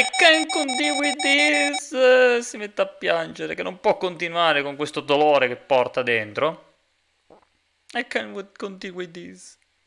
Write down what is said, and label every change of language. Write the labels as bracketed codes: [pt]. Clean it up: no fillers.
[en] I can't continue with this. [it] Si mette a piangere, che non può continuare con questo dolore che porta dentro. [en] I can't continue with this.